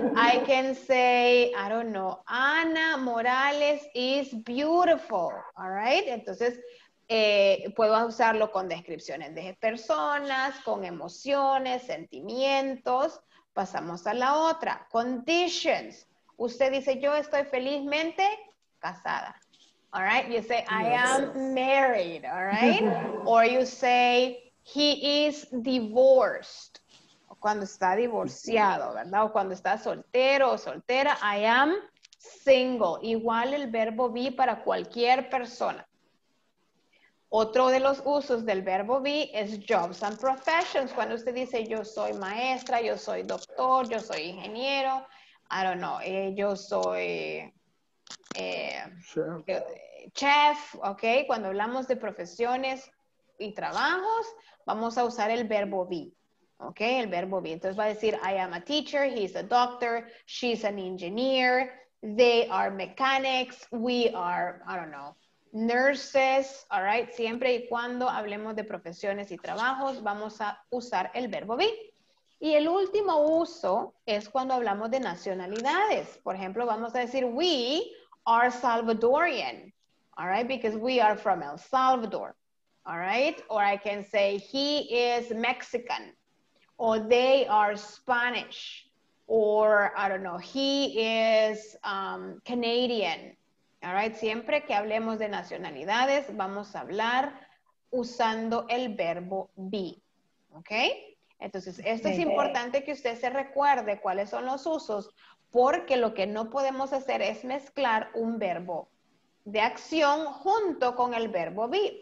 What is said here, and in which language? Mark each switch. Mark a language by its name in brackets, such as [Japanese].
[English] I can say, I don't know, Ana Morales is beautiful. All right. [Spanish] Entonces, puedo usarlo con descripciones de personas, con emociones, sentimientos. Pasamos a la otra. Conditions. Usted dice, yo estoy felizmente casada. [English] All right. You say, I am married. All right. Or you say, he is divorced. [Spanish] Cuando está divorciado, ¿verdad? O cuando está soltero o soltera, [English] I am single. [Spanish] Igual el verbo be para cualquier persona. Otro de los usos del verbo be es [English] jobs and professions. [Spanish] Cuando usted dice yo soy maestra, yo soy doctor, yo soy ingeniero, [English] I don't know, [Spanish] yo soy chef, ¿ok? Cuando hablamos de profesiones y trabajos, vamos a usar el verbo be. Ok, el verbo be. [English] Entonces va a decir, I am a teacher, he's a doctor, she's an engineer, they are mechanics, we are, I don't know, nurses, all right? [Spanish] Siempre y cuando hablemos de profesiones y trabajos, vamos a usar el verbo be. Y el último uso es cuando hablamos de nacionalidades. Por ejemplo, vamos a decir, [English] we are Salvadorian, all right? Because we are from El Salvador, all right? Or I can say, he is Mexican. Or they are Spanish, or I don't know, he is Canadian. All right, [Spanish] siempre que hablemos de nacionalidades, vamos a hablar usando el verbo be. Ok, entonces esto es importante que usted se recuerde cuáles son los usos, porque lo que no podemos hacer es mezclar un verbo de acción junto con el verbo be.